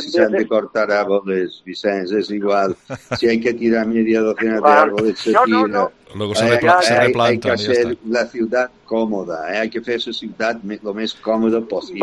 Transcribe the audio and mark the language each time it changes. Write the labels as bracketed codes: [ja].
[ca] si s'han de [es] cortar árboles, [ca] Vicenç, és igual. [es] Si hay que tirar media docena de árboles, se tira. Se replanta. Hay que hacer la ciudad cómoda. Hay que fer la ciudad lo més cómoda possible.